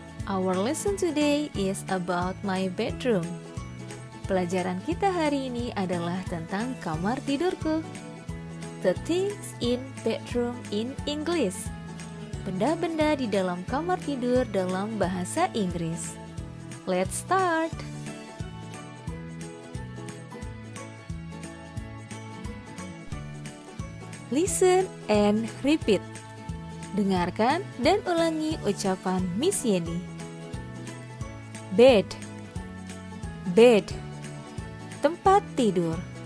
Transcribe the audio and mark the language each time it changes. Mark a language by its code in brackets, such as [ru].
[en] Our lesson today is about my bedroom. [id] Pelajaran kita hari ini adalah tentang kamar tidurku. [en] The things in bedroom in English. [id] Benda-benda di dalam kamar tidur dalam bahasa Inggris. [en] Let's start! Listen and repeat. [id] Dengarkan dan ulangi ucapan Miss Yeni. [en] Bed. Bed. [id] Tempat tidur.